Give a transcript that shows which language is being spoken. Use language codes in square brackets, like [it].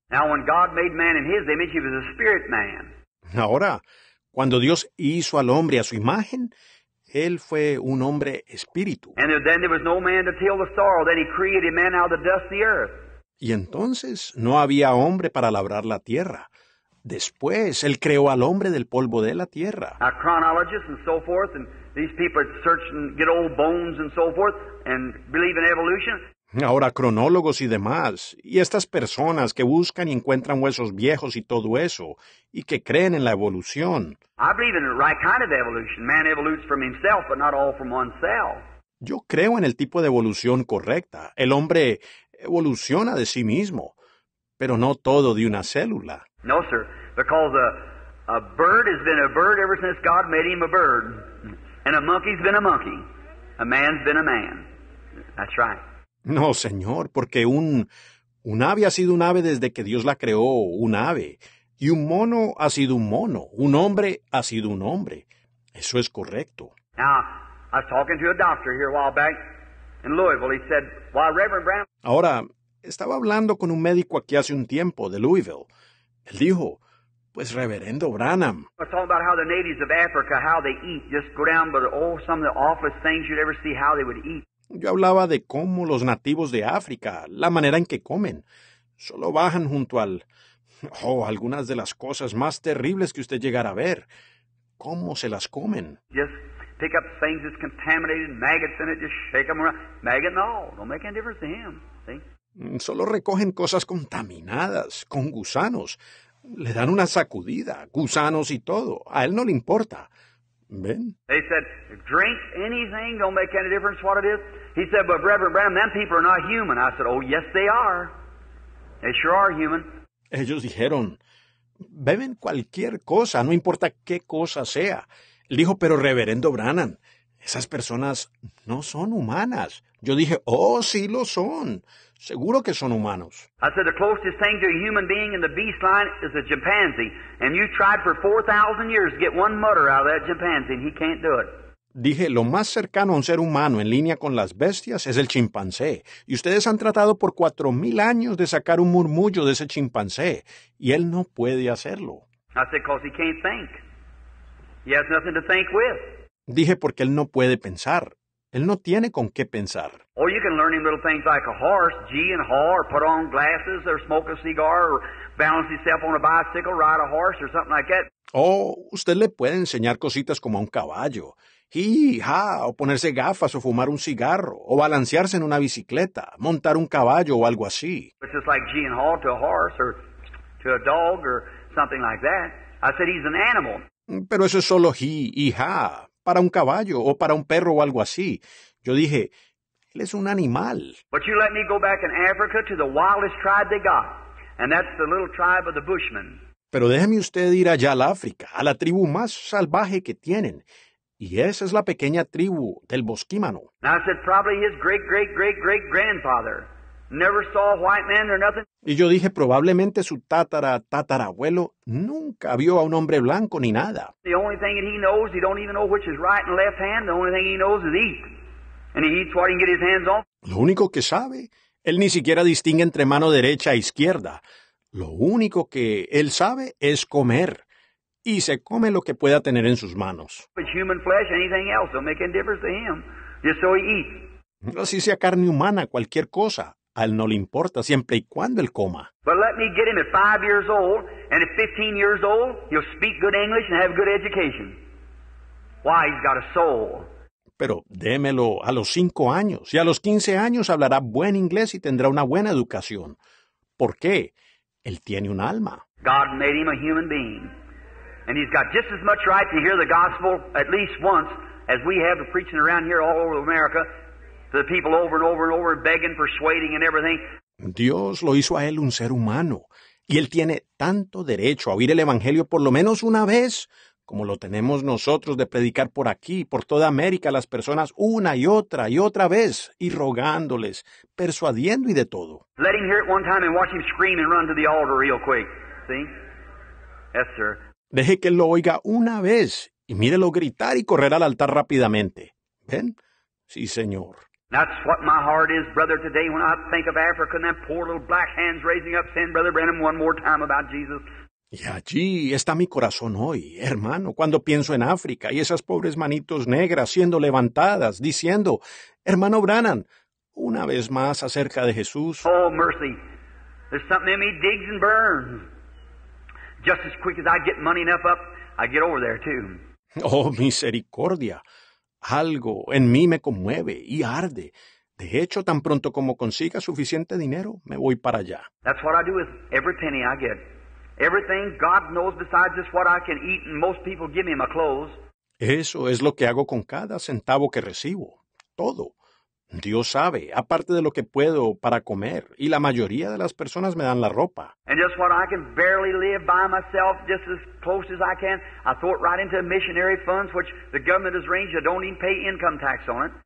[en] Now when God made man in his image, he was a spirit man. [es] Ahora, cuando Dios hizo al hombre a su imagen, él fue un hombre espíritu. [en] And then there was no man to till the soil, then he created man out of the dust of the earth. [es] Y entonces no había hombre para labrar la tierra. Después él creó al hombre del polvo de la tierra. [en] Now, chronologists and so forth, and these people search and get old bones and so forth and believe in evolution. [es] Ahora, cronólogos y demás, y estas personas que buscan y encuentran huesos viejos y todo eso, y que creen en la evolución. [en] I believe in the right kind of evolution. Man evolutes from himself, but not all from one cell. [es] Yo creo en el tipo de evolución correcta. El hombre evoluciona de sí mismo, pero no todo de una célula. [en] No, sir, because a bird has been a bird ever since God made him a bird. And a monkey's been a monkey. A man's been a man. That's right. [es] No, señor, porque un ave ha sido un ave desde que Dios la creó, un ave. Y un mono ha sido un mono. Un hombre ha sido un hombre. Eso es correcto. [en] Now, I was talking to a doctor here a while back in Louisville. He said, while Reverend Brown... [es] Ahora, estaba hablando con un médico aquí hace un tiempo de Louisville. Él dijo, pues Reverendo Branham. [en] I was talking about how the natives of Africa, how they eat. Just go down, but oh, some of the awfulest things you'd ever see, how they would eat. [es] Yo hablaba de cómo los nativos de África, la manera en que comen, solo bajan junto al... Oh, algunas de las cosas más terribles que usted llegara a ver. ¿Cómo se las comen? [en] Just pick up things that's contaminated, maggots in it, just shake them around. Maggot and all. Don't make any difference to him. See? [es] Solo recogen cosas contaminadas, con gusanos. Le dan una sacudida, gusanos y todo. A él no le importa. Ben. [en] They said, drink anything, don't make any difference what it is. He said, but Reverend Branham, them people are not human. I said, oh, yes, they are. They sure are human. [es] Ellos dijeron, beben cualquier cosa, no importa qué cosa sea. Él dijo, pero reverendo Branham, esas personas no son humanas. Yo dije, oh, sí lo son. Seguro que son humanos. [en] I said, the closest thing to a human being in the beast line is a chimpanzee. And you tried for 4,000 years to get one mutter out of that chimpanzee, and he can't do it. [es] Dije, lo más cercano a un ser humano en línea con las bestias es el chimpancé. Y ustedes han tratado por 4,000 años de sacar un murmullo de ese chimpancé. Y él no puede hacerlo. [en] I said, because he can't think. He has nothing to think with. [es] Dije, porque él no puede pensar. Él no tiene con qué pensar. [en] Or you can learn him little things like a horse, gee and haw, or put on glasses, or smoke a cigar, or balance himself on a bicycle, ride a horse, or something like that. [es] Oh, usted le puede enseñar cositas como a un caballo. Hee, ha, o ponerse gafas, o fumar un cigarro, o balancearse en una bicicleta, montar un caballo o algo así. [en] It's just like gee and haw to a horse, or to a dog, or something like that. I said he's an animal. [es] Pero eso es solo hee y ha. Para un caballo o para un perro o algo así. Yo dije, él es un animal. [en] But you let me go back in Africa to the wildest tribe they got, and that's the little tribe of the Bushmen. [es] Pero déjeme usted ir allá al África, a la tribu más salvaje que tienen, y esa es la pequeña tribu del Bosquímano. [en] I said probably his great great great great grandfather never saw a white man or nothing. [es] Y yo dije, probablemente su tatara, tatarabuelo nunca vio a un hombre blanco ni nada. [en] The only thing that he knows, he don't even know which is right and left hand. The only thing he knows is eat. And he eats what he can get his hands on. [es] Lo único que sabe, él ni siquiera distingue entre mano derecha e izquierda. Lo único que él sabe es comer. Y se come lo que pueda tener en sus manos. [en] It's human flesh, anything else. Don't make any difference to him. Just so he eats. [es] Así sea carne humana, cualquier cosa. A él no le importa siempre y cuando él coma. [en] But let me get him at 5 years old, and at 15 years old, he'll speak good English and have good education. Why, he's got a soul. [es] Pero démelo a los 5 años, y a los 15 años hablará buen inglés y tendrá una buena educación. ¿Por qué? Él tiene un alma. [en] God made him a human being. And he's got just as much right to hear the gospel at least once as we have to preaching around here all over America. To the people over and over and over, begging, persuading, and everything. [es] Dios lo hizo a él un ser humano, y él tiene tanto derecho a oír el evangelio por lo menos una vez, como lo tenemos nosotros de predicar por aquí, por toda América, a las personas una y otra vez, y rogándoles, persuadiendo y de todo. [en] Let him hear it one time and watch him scream and run to the altar real quick. See? Yes, sir. [es] Deje que él lo oiga una vez y mírelo gritar y correr al altar rápidamente. ¿Ven? Sí, señor. [en] That's what my heart is, brother, today when I think of Africa and that poor little black hands raising up saying, Brother Branham, one more time about Jesus. [es] Y allí está mi corazón hoy, hermano, cuando pienso en África y esas pobres manitos negras siendo levantadas, diciendo, hermano Branham, una vez más acerca de Jesús. [en] Oh, mercy. There's something in me digs and burns. Just as quick as I get money enough up, I get over there too. [es] Oh, misericordia. Algo en mí me conmueve y arde. De hecho, tan pronto como consiga suficiente dinero, me voy para allá. [en] That's what I do with every penny I get. Everything God knows besides just what I can eat and most people give me my clothes. [es] Eso es lo que hago con cada centavo que recibo. Todo. Dios sabe, aparte de lo que puedo para comer, y la mayoría de las personas me dan la ropa. [en] And just what I can barely live by myself, just as close as I can, I throw it right into missionary funds, which the government has arranged, I don't even pay income tax on it.